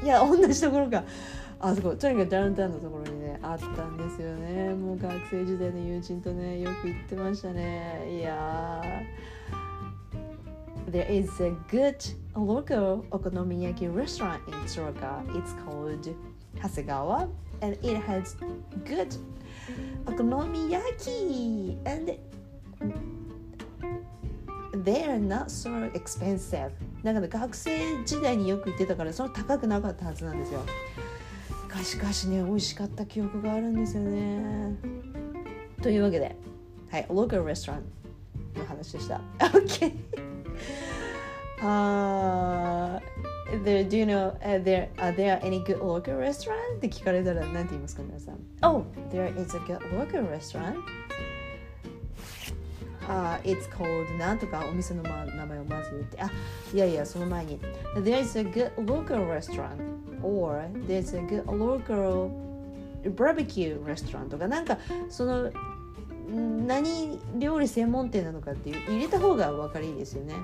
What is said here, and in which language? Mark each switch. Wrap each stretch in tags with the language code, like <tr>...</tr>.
<ja>いや、同じところか。あそこ、とにかくダウンタウンのところにね、あったんですよね。もう学生時代の友人とね、よく行ってましたね。いやー。</ja> <en>There is a good local okonomiyaki restaurant in 鶴岡. It's called Hasegawa. And it has good okonomiyaki. And... They are not so expensive.</en> <ja>なんか学生時代によく行ってたから、その高くなかったはずなんですよ。かしかしね、美味しかった記憶があるんですよね。というわけで、はい、</ja> <en>local restaurant</en> <ja>の話でした。OK!</ja> <en>Do you know, are there any good local restaurant?</en> <ja>って聞かれたら何て言いますか、皆さん。</ja> <en>Oh! There is a good local restaurant. It's called</en> <ja>なんとかお店の名前をまず言って、あ、いやいや、その前に</ja> <en>There's a good local restaurant or there's a good local barbecue restaurant</en> <ja>とか、なんかその何料理専門店なのかっていう入れた方が分かりいいですよね。</ja>